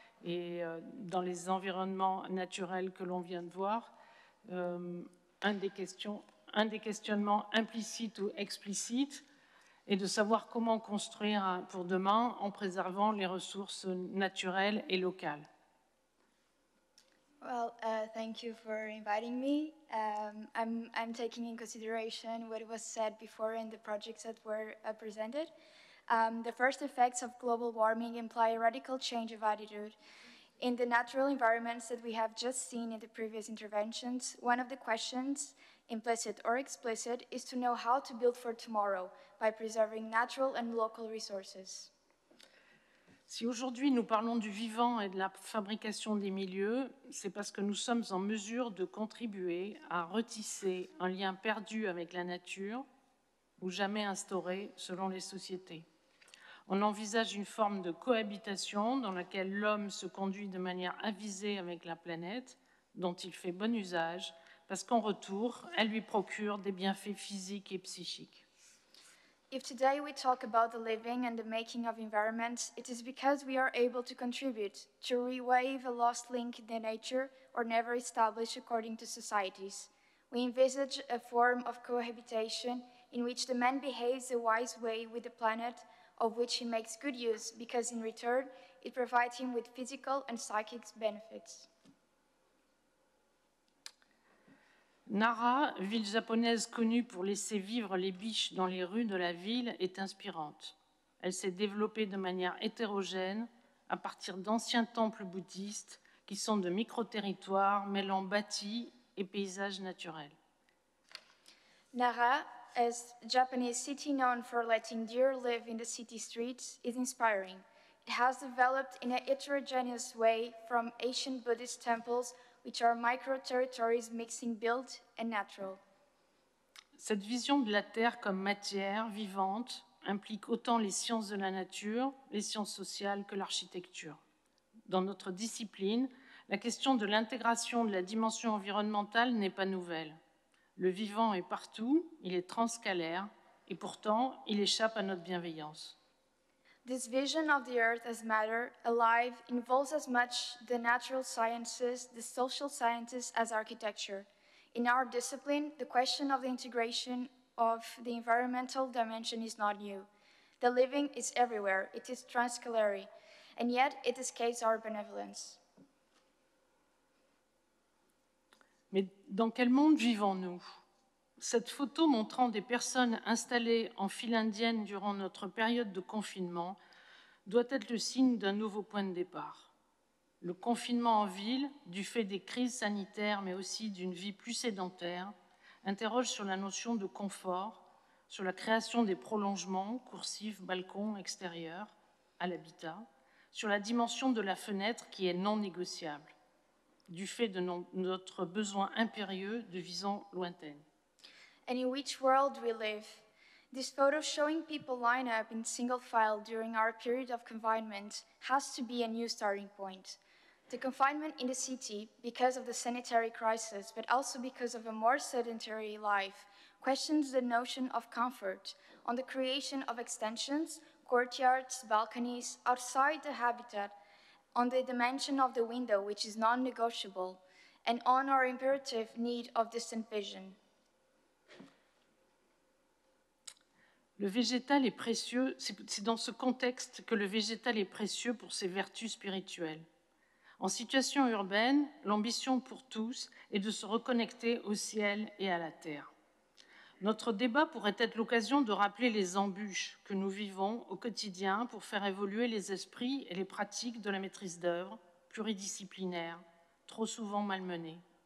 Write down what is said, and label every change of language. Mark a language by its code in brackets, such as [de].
[fr] Et dans les environnements naturels que l'on vient de voir, un des questionnements implicites ou explicites et de savoir comment construire pour demain en préservant les ressources naturelles et locales. [en] Well, thank you for inviting me. I'm taking in consideration what was said before in the projects that were presented. The first effects of global warming imply a radical change of attitude. In the natural environments that we have just seen in the previous interventions, one of the questions implicit or explicit, is to know how to build for tomorrow by preserving natural and local resources. [fr] Si aujourd'hui nous parlons du vivant et de la fabrication des milieux, c'est parce que nous sommes en mesure de contribuer à retisser un lien perdu avec la nature, ou jamais instauré selon les sociétés. On envisage une forme de cohabitation dans laquelle l'homme se conduit de manière avisée avec la planète, dont il fait bon usage, parce qu'en retour, elle lui procure des bienfaits physiques et psychiques. [en] If today we talk about the living and the making of environments, it is because we are able to contribute, to rewave a lost link in the nature or never established according to societies. We envisage a form of cohabitation in which the man behaves a wise way with the planet, of which he makes good use, because in return, it provides him with physical and psychic benefits. [fr] Nara, ville japonaise connue pour laisser vivre les biches dans les rues de la ville, est inspirante. Elle s'est développée de manière hétérogène à partir d'anciens temples bouddhistes qui sont de micro-territoires mêlant bâtis et paysages naturels. [en] Nara, a Japanese city known for letting deer live in the city streets, is inspiring. It has developed in a heterogeneous way from ancient Buddhist temples, which are micro-territories mixing built and natural. [fr] Cette vision de la terre comme matière vivante implique autant les sciences de la nature, les sciences sociales que l'architecture. Dans notre discipline, la question de l'intégration de la dimension environnementale n'est pas nouvelle. Le vivant est partout, il est transcalaire, et pourtant, il échappe à notre bienveillance. [en] This vision of the earth as matter, alive, involves as much the natural sciences, the social sciences, as architecture. In our discipline, the question of the integration of the environmental dimension is not new. The living is everywhere, it is transcalary, and yet it escapes our benevolence. [fr] Mais dans quel monde vivons-nous? Cette photo montrant des personnes installées en file indienne durant notre période de confinement doit être le signe d'un nouveau point de départ. Le confinement en ville, du fait des crises sanitaires mais aussi d'une vie plus sédentaire, interroge sur la notion de confort, sur la création des prolongements, coursifs, balcons, extérieurs, à l'habitat, sur la dimension de la fenêtre qui est non négociable, du fait de notre besoin impérieux de vision lointaine. [en] And in which world we live. This photo showing people line up in single file during our period of confinement has to be a new starting point. The confinement in the city, because of the sanitary crisis, but also because of a more sedentary life, questions the notion of comfort on the creation of extensions, courtyards, balconies, outside the habitat, on the dimension of the window, which is non-negotiable, and on our imperative need of distant vision. [fr] Le végétal est précieux, c'est dans ce contexte que le végétal est précieux pour ses vertus spirituelles. En situation urbaine, l'ambition pour tous est de se reconnecter au ciel et à la terre. Notre débat pourrait être l'occasion de rappeler les embûches que nous vivons au quotidien pour faire évoluer les esprits et les pratiques de la maîtrise d'œuvre, pluridisciplinaire, trop souvent malmenée.